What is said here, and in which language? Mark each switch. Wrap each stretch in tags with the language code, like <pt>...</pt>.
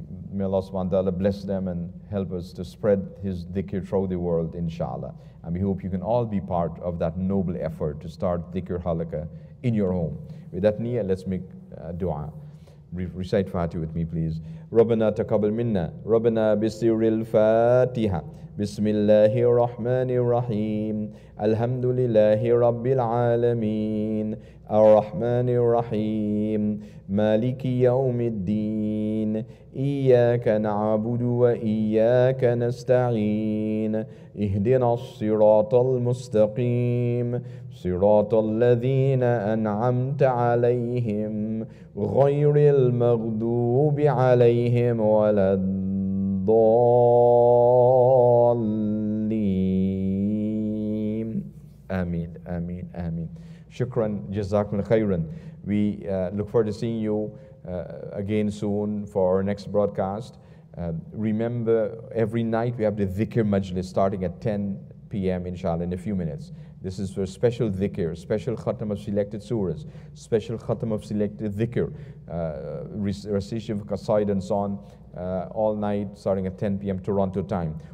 <en>May Allah subhanahu wa ta'ala bless them and help us to spread His dhikr throughout the world, inshallah. And we hope you can all be part of that noble effort to start dhikr halakha in your home. With that niyyah, let's make dua. Recite Fatiha with me, please.</en> <ar>ربنا تقبل منا ربنا بسر الفاتحة بسم الله الرحمن الرحيم الحمد لله رب العالمين الرحمن الرحيم مالك يوم الدين إياك نعبد وإياك نستعين اهدنا الصراط المستقيم صراط الذين أنعمت عليهم غير المغضوب عليهم ولا الضالين آمين آمين آمين شكرا جزاكم خيرا.</ar> <en>We look forward to seeing you again soon for our next broadcast. Remember, every night we have the dhikr majlis starting at 10 p.m. inshallah, in a few minutes. This is for special dhikr, special khatam of selected surahs, special khatam of selected dhikr, recitation of qasaid and so on, all night starting at 10 p.m. Toronto time.</en>